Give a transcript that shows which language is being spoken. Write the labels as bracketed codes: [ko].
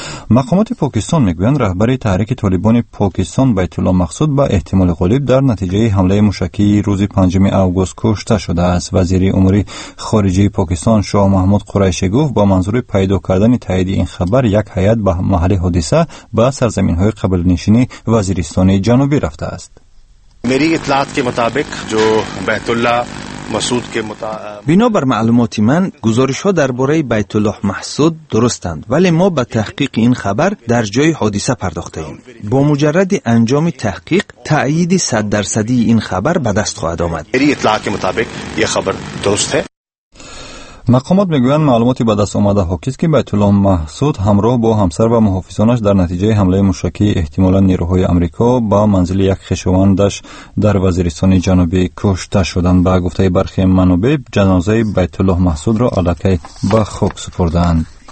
[fa] مقامات پاکستان میگویند رهبر تحریک طالبان پاکستان بیت الله مقصود با احتمال غالب در نتیجه حمله موشکی روز 5 آگوست کشته شده است. وزیر امور خارجه پاکستان شاه محمود قریشی گفت با منظور پیدا کردن تایید این خبر یک هیئت به محل حادثه با سرزمین های قبل نشینی وزیرستان جنوبی رفته است. [ur] میری اطلاعات کے مطابق جو بیت الله مسعود کے [fa] بنابر معلومات من گزارش ها درباره بیت الله مسعود درستند، ولی ما به تحقیق این خبر در جای حادثه پرداخته ایم. با مجرد انجام تحقیق تایید 100% این خبر به دست خواهد آمد. [ur] میری اطلاعات کے مطابق یہ خبر درست ہے. [fa] مقامات میگویند معلوماتی به دست آمده حاکی که بیت الله مسعود همراه با همسر و محافظانش در نتیجه حمله موشکی احتمالاً نیروهای آمریکا با منزل یک خویشاوندش در وزیرستان جنوبی کشته شدند. با گفته برخی منابع جنازه بیت الله مسعود را علکی به خاک سپردند.